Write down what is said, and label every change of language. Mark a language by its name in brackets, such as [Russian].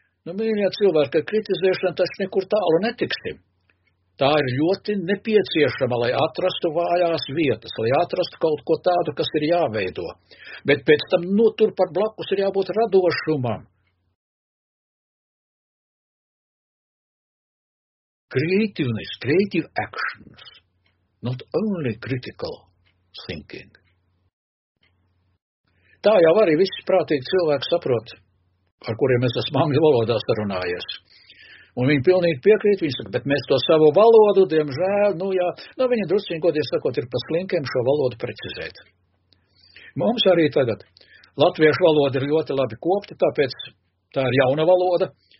[Latvian] Nu, mīļie cilvēki, ka kritizēšana taču nekur tālu netiksim. Tā ir ļoti nepieciešama, lai atrastu vājās vietas, lai atrastu kaut ko tādu, kas ir jāveido. Bet pēc tam, nu, turpat blakus ir jābūt radošumam. [English] Creativeness, creative actions, not only critical thinking. [Latvian] Tā jau arī viss prātīgi cilvēki saprot, ar kuriem es esmu angļu valodā sarunājies. Un viņi pilnīgi piekrīt, viņi saka, bet mēs to savu valodu, diemžēl, nu jā, nu viņi drusciņi, godīgi sakot, ir pa slinkiem šo valodu precizēt. Mums arī tagad latviešu valoda ir ļoti labi kopta, tāpēc tā ir jauna valoda,